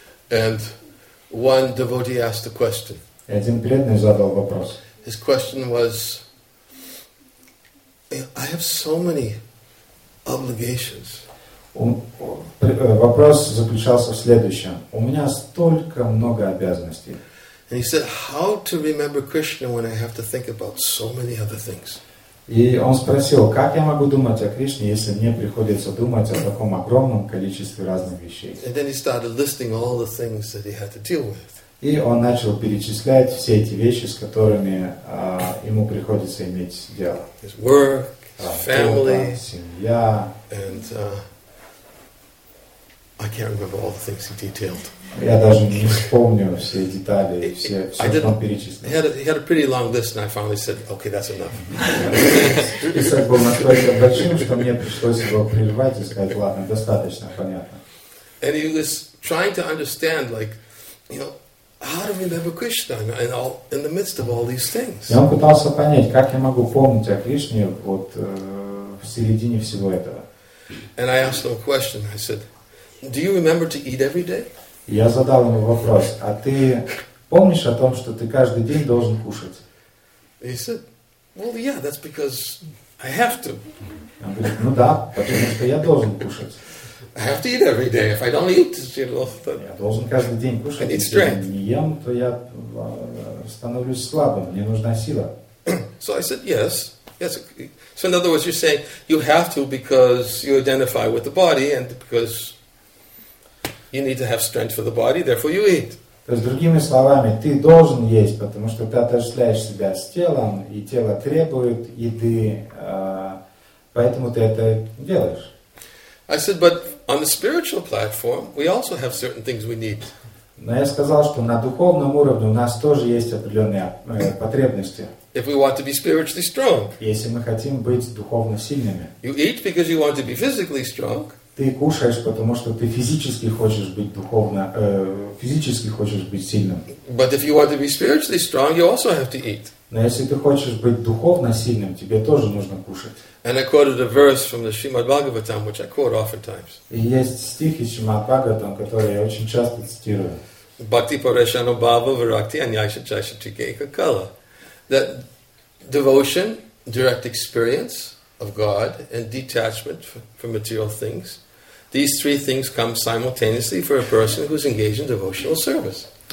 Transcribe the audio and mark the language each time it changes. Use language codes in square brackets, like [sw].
[en] And one devotee asked a question. [ru] И один преданный задал вопрос. [en] His question was, I have so many obligations. [ru] Вопрос заключался в следующем. У меня столько много обязанностей. [en] And he said, how to remember Krishna when I have to think about so many other things? [ru] И он спросил, как я могу думать о Кришне, если мне приходится думать о таком огромном количестве разных вещей? [en] And then he started listing all the things that he had to deal with. [ru] И он начал перечислять все эти вещи, с которыми ему приходится иметь дело. [en] His work, his family, [ru] семья. [en] And, I can't remember all the things he detailed. [ru] Я даже не вспомню все детали, все что он перечислил. [en] He had a pretty long list, and I finally said, "Okay, that's enough." [ru] Список был настолько большим, что мне пришлось его прерывать и сказать, "Ладно, достаточно, понятно." [en] And he was trying to understand, like, you know, how do we remember Krishna in the midst of all these things? [ru] Я пытался понять, как я могу помнить о Кришне вот в середине всего этого. [en] And I asked him a question. I said, do you remember to eat every day? [ru] Я задал ему вопрос, а ты помнишь о том, что ты каждый день должен кушать? [en] He said, well, yeah, that's because I have to. [ru] Он говорит, ну да, потому что я должен кушать. [en] I have to eat every day. If I don't eat, you know, [ru] я должен каждый день кушать. [en] I need strength. [ru] Если я не ем, то я становлюсь слабым, мне нужна сила. [en] So I said, yes. Yes. So in other words, you're saying you have to because you identify with the body and because you need to have strength for the body, therefore you eat. [ru] То есть, другими словами, ты должен есть, потому что ты отождествляешь себя с телом, и тело требует еды, поэтому ты это делаешь. [en] I said, but on the spiritual platform, we also have certain things we need. [ru] Но я сказал, что на духовном уровне у нас тоже есть определенные потребности. [en] If we want to be spiritually strong. [ru] Если мы хотим быть духовно сильными. [en] You eat because you want to be physically strong. [ru] Ты кушаешь, потому что ты физически хочешь быть духовно, физически хочешь быть сильным. [en] But if you want to be spiritually strong, you also have to eat. [ru] Но если ты хочешь быть духовно сильным, тебе тоже нужно кушать. [en] And I quoted a verse from the Srimad Bhagavatam, which I quote oftentimes. [ru] И есть стих из Шримад Бхагаватам, который я очень часто цитирую. [sa] Bhakti Parashano Bhava Virakti Anyasha Chasha Trikeka Kala. [en] That devotion, direct experience of God and detachment from material things. These three things come simultaneously for a person who is engaged in devotional service.